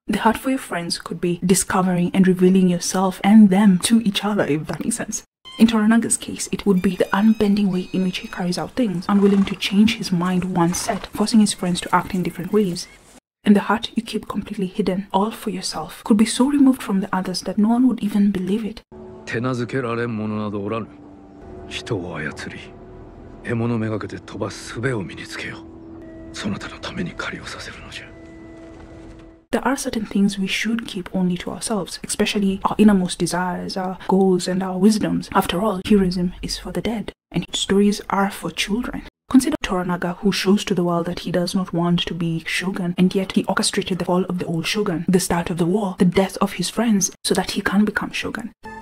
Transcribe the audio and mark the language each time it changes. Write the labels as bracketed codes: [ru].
[en] The heart for your friends could be discovering and revealing yourself and them to each other, if that makes sense. In Toranaga's case, it would be the unbending way in which he carries out things, unwilling to change his mind once set, forcing his friends to act in different ways. And the heart you keep completely hidden, all for yourself, could be so removed from the others that no one would even believe it. [ja] 手なずけられん者などおらぬ。人を操り、獲物めがけて飛ばす術を身につけよ。そなたのために狩りをさせるのじゃ。 [en] There are certain things we should keep only to ourselves, especially our innermost desires, our goals, and our wisdoms. After all, heroism is for the dead, and stories are for children. Consider Toranaga, who shows to the world that he does not want to be Shogun, and yet he orchestrated the fall of the old Shogun, the start of the war, the death of his friends, so that he can become Shogun.